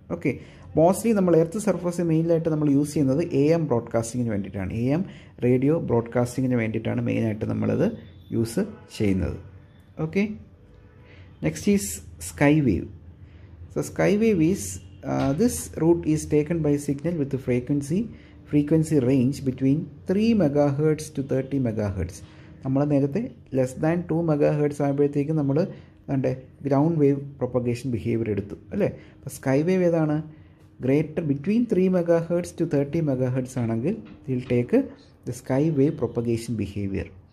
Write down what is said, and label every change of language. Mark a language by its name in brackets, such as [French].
[Malayalam] Okay, mostly നമ്മൾ earth surface മെയിനായിട്ട് നമ്മൾ യൂസ് ചെയ്യുന്നത് AM ബ്രോഡ്കാസ്റ്റിംഗിന് വേണ്ടിയിട്ടാണ്. AM റേഡിയോ ബ്രോഡ്കാസ്റ്റിംഗിന് വേണ്ടിയിട്ടാണ് മെയിനായിട്ട് നമ്മളത് യൂസ് ചെയ്യുന്നത്. [English] Okay, next is sky wave. So sky wave is this route is taken by signal with the frequency range between 3 megahertz to 30 megahertz. [Malayalam] നമ്മളെ നേരത്തെ ലെസ് ദാൻ 2 മെഗാ ഹേർട്സ് ആകുമ്പോഴത്തേക്ക് നമ്മൾ അതിൻ്റെ ഗ്രൗണ്ട് വേവ് പ്രൊപ്പഗേഷൻ ബിഹേവിയർ എടുത്തു അല്ലേ. അപ്പോൾ sky wave ഏതാണ്? Greater between 3 mega hertz to 30 mega hertz ആണെങ്കിൽ ഇതിൽ take the sky wave propagation behaviour.